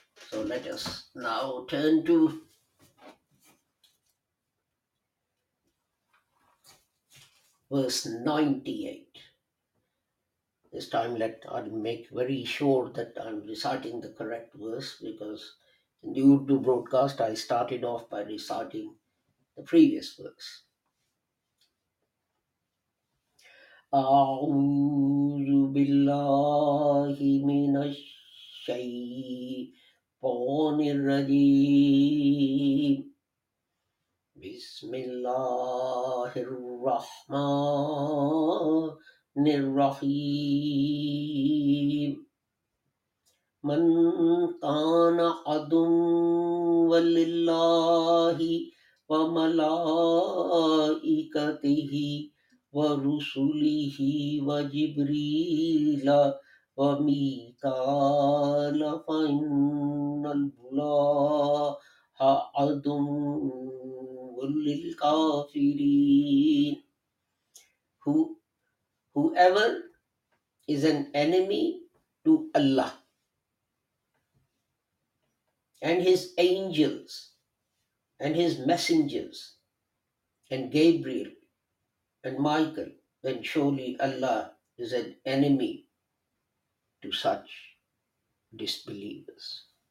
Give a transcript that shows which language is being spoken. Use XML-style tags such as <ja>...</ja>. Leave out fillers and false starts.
<en>So let us now turn to verse 98. this time let I make very sure that I'm reciting the correct verse, because in the Urdu broadcast I started off by reciting the previous verse.</en> <ar>أعوذ بالله من الشيطان الرجيم بسم الله الرحمن الرحيم من كان عدوا لله وملائكته ورسله وجبريل وميكال فإن الله عدو للكافرين.</ar> <en>Whoever is an enemy to Allah and His angels and His messengers and Gabriel and Michael, then surely Allah is an enemy to such disbelievers.</en>